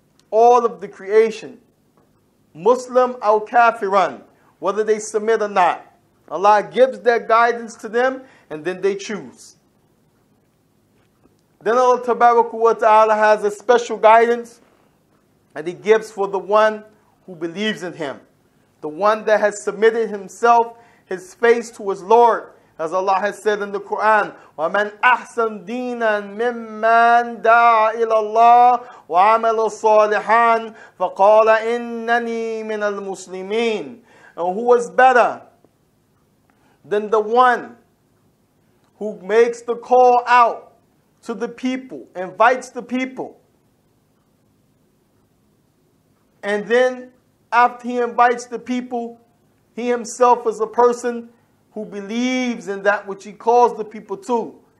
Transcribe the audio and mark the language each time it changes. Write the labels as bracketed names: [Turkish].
[English] All of the creation, Muslim or Kafiran, whether they submit or not, Allah gives that guidance to them, and then they choose. Then Allah Tabaraka wa Ta'ala has a special guidance that He gives for the one who believes in Him. The one that has submitted himself, his face to his Lord. As Allah has said in the Quran, [Arabic] وَمَنْ أَحْسَنْ دِينًا مِمَّنْ دَعَ إِلَى اللَّهِ وَعَمَلَ الصَّالِحًا فَقَالَ إِنَّنِي مِنَ الْمُسْلِمِينَ. [English] And who is better than the one who makes the call out to the people, invites the people. And then after he invites the people, he himself is a person who believes in that which he calls the people to.